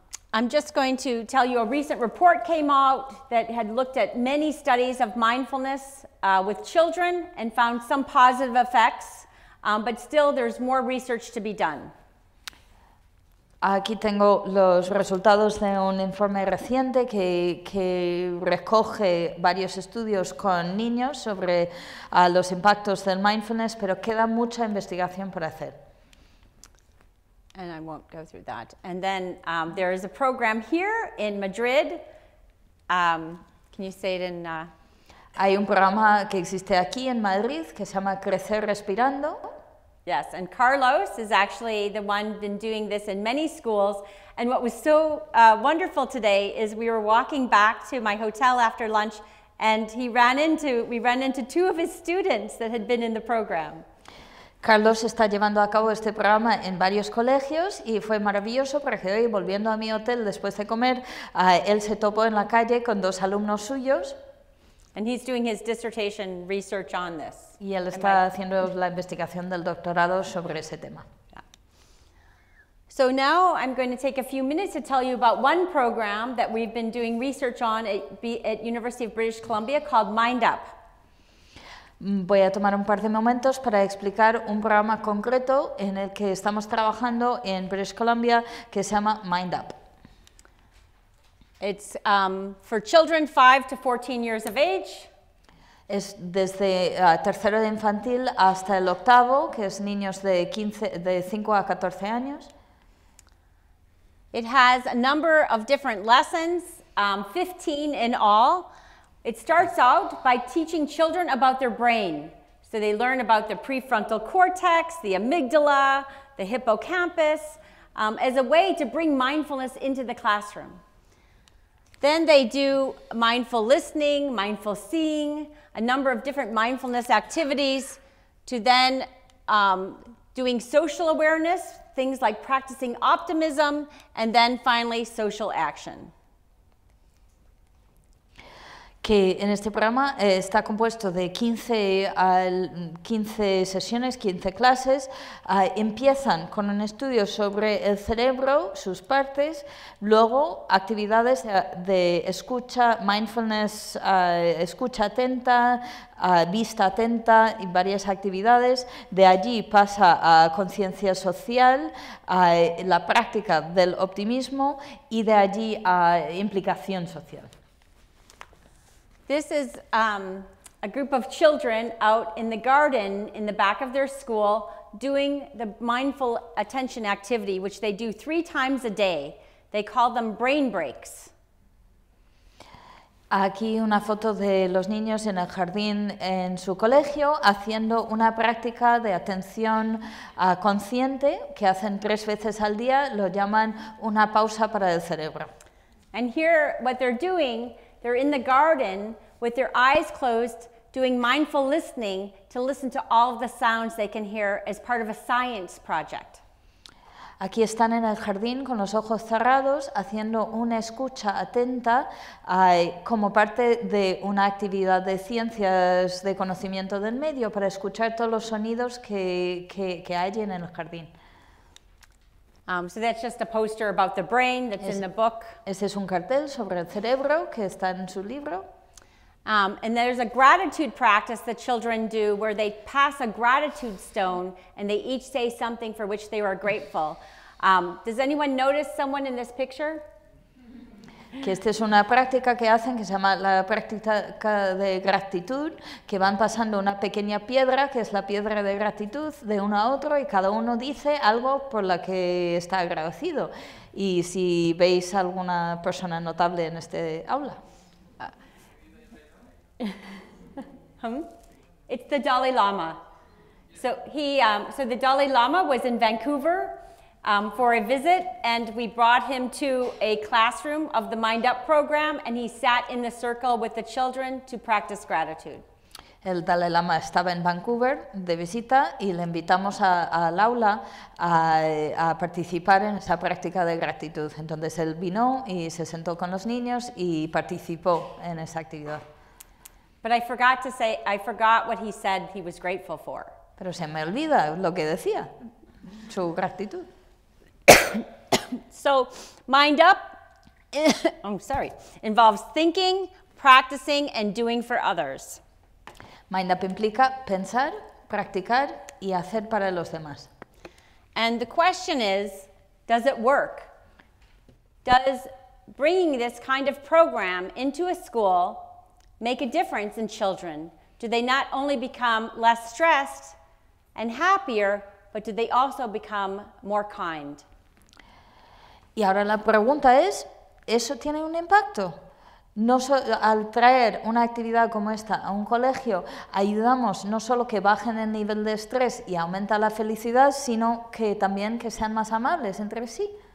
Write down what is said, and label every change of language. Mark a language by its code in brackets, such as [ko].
[en] I'm just going to tell you a recent report came out that had looked at many studies of mindfulness with children and found some positive effects, but still there's more research to be done. [es] Aquí tengo los resultados de un informe reciente que recoge varios estudios con niños sobre los impactos del mindfulness, pero queda mucha investigación por hacer. [en] And I won't go through that. And then there is a program here in Madrid. Can you say it in... [es] Hay un programa que existe aquí en Madrid que se llama Crecer Respirando. [en] Yes, and Carlos is actually the one been doing this in many schools. And what was so wonderful today is we were walking back to my hotel after lunch and we ran into two of his students that had been in the program. [es] Carlos está llevando a cabo este programa en varios colegios y fue maravilloso porque hoy, volviendo a mi hotel después de comer, él se topó en la calle con dos alumnos suyos. [en] And he's doing his dissertation research on this. [es] Y él está haciendo la investigación del doctorado sobre ese tema. [en] So now I'm going to take a few minutes to tell you about one program that we've been doing research on at University of British Columbia called Mind Up. [es] Voy a tomar un par de momentos para explicar un programa concreto en el que estamos trabajando en British Columbia que se llama Mind Up. [en] It's for children 5 to 14 years of age. [es] Es desde tercero de infantil hasta el octavo, que es niños de 5 a 14 años. [en] It has a number of different lessons, 15 in all. It starts out by teaching children about their brain. So they learn about the prefrontal cortex, the amygdala, the hippocampus, as a way to bring mindfulness into the classroom. Then they do mindful listening, mindful seeing, a number of different mindfulness activities, to then doing social awareness, things like practicing optimism, and then finally social action. [es] Que en este programa está compuesto de 15 sesiones, 15 clases. Empiezan con un estudio sobre el cerebro, sus partes, luego actividades de escucha, mindfulness, escucha atenta, vista atenta y varias actividades. De allí pasa a conciencia social, a la práctica del optimismo y de allí a implicación social. [en] This is a group of children out in the garden in the back of their school doing the mindful attention activity, which they do 3 times a day. They call them brain breaks. [es] Aquí una foto de los niños en el jardín en su colegio haciendo una práctica de atención consciente que hacen 3 veces al día. Lo llaman una pausa para el cerebro. [en] And here what they're doing, they're in the garden with their eyes closed, doing mindful listening to listen to all of the sounds they can hear as part of a science project. [es] Aquí están en el jardín con los ojos cerrados, haciendo una escucha atenta como parte de una actividad de ciencias de conocimiento del medio para escuchar todos los sonidos que hay en el jardín. [en] So that's just a poster about the brain that's in the book. [es] Ese es un cartel sobre el cerebro que está en su libro. [en] And there's a gratitude practice that children do where they pass a gratitude stone and they each say something for which they are grateful. Does anyone notice someone in this picture? [es] Que esta es una práctica que hacen que se llama la práctica de gratitud, que van pasando una pequeña piedra, que es la piedra de gratitud, de uno a otro y cada uno dice algo por la que está agradecido. Y si veis alguna persona notable en este aula. [en] It's the Dalai Lama. So so the Dalai Lama was in Vancouver for a visit, and we brought him to a classroom of the Mind Up program, and he sat in the circle with the children to practice gratitude. [es] El Dalai Lama estaba en Vancouver de visita y le invitamos al aula a participar en esa práctica de gratitud. Entonces él vino y se sentó con los niños y participó en esa actividad. [en] But I forgot to say, I forgot what he said he was grateful for. [es] Pero se me olvida lo que decía, su gratitud. [en] So, Mind Up, involves thinking, practicing, and doing for others. [es] Mind Up implica pensar, practicar, y hacer para los demás. [en] And the question is, Does it work? Does bringing this kind of program into a school make a difference in children? Do they not only become less stressed and happier, but do they also become more kind? [es] Y ahora la pregunta es, ¿eso tiene un impacto? No solo al traer una actividad como esta a un colegio, ayudamos no solo que bajen el nivel de estrés y aumenta la felicidad, sino que también que sean más amables entre sí.